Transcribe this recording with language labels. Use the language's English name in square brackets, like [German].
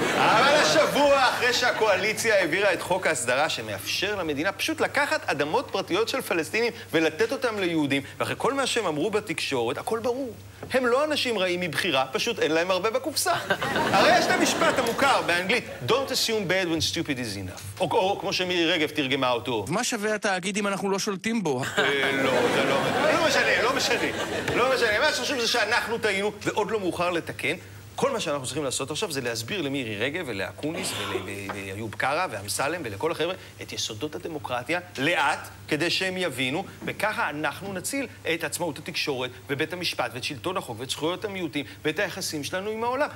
[Hebrew] אבל השבוע אחרי שהקואליציה העבירה את חוק ההסדרה שמאפשר למדינה פשוט לקחת אדמות פרטיות של פלסטינים ולתת אותם ליהודים, ואחרי כל מה שהם אמרו בתקשורת, הכל ברור. הם לא אנשים רעים מבחירה, פשוט אין להם הרבה בקופסה. הרי יש את המשפט המוכר באנגלית, [English] Don't assume bad when stupid is enough. [Hebrew] או כמו שמירי רגב תרגמה אותו. מה שווה התאגיד אם אנחנו לא שולטים בו? לא, זה לא משנה, לא משנה. לא משנה, מה שחשוב זה שאנחנו טעינו, ועוד לא מאוחר לתקן. כל מה שאנחנו צריכים לעשות עכשיו זה להסביר למירי רגב ולאקוניס וליוב קרא ואמסלם ולכל החבר'ה את יסודות הדמוקרטיה לאט כדי שהם יבינו, וככה אנחנו נציל את עצמאות התקשורת ובית המשפט ואת שלטון החוק ואת זכויות המיעוטים ואת היחסים שלנו עם העולם.